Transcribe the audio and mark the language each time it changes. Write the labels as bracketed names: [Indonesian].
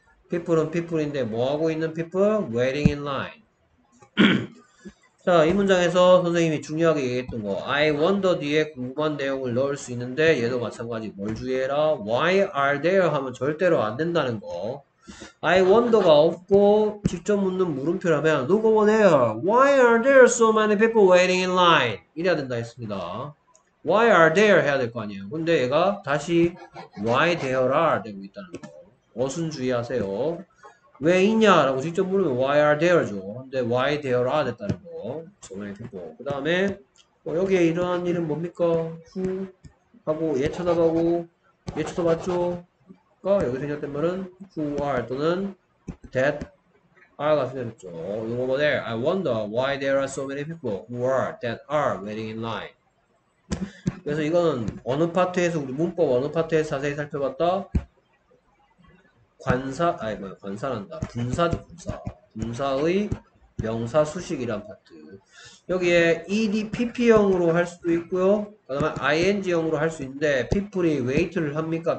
[English] people은 people인데 [Korean] 뭐 하고 있는 [English] people? waiting in line. [Korean] 자, 이 문장에서 선생님이 중요하게 얘기했던 거, I wonder 뒤에 궁금한 내용을 넣을 수 있는데, 얘도 마찬가지, 뭘 주의해라? [English] Why are there? [Korean] 하면 절대로 안 된다는 거. I wonder가 없고, 직접 묻는 물음표라면, [English] Look over there. Why are there so many people waiting in line? [Korean] 이래야 된다 했습니다. [English] Why are there? [Korean] 해야 될거 아니에요. 근데 얘가 다시 [English] Why there are? [Korean] 되고 있다는 거. 어순주의하세요. 왜 있냐라고 직접 물으면 [English] why are there죠. [Korean] 근데 [English] why there are [Korean] 됐다는 거. 정말 듣고 그 다음에 여기에 일어난 일은 뭡니까? who 하고 얘 쳐다보고 얘 쳐다봤죠. 그러니까 여기서 생겼던 말은 who are 또는 that are가 생겼죠. [English] look over there. I wonder why there are so many people who are that are waiting in line. [Korean] 그래서 이거는 어느 파트에서 우리 문법 어느 파트에서 자세히 살펴봤다? 관사, 아니, 뭐야, 관사란다. 분사죠, 분사. 분사의 명사 수식이란 파트. 여기에 ed, pp형으로 할 수도 있고요. 그다음에 ing형으로 할수 있는데, people이 웨이트를 합니까?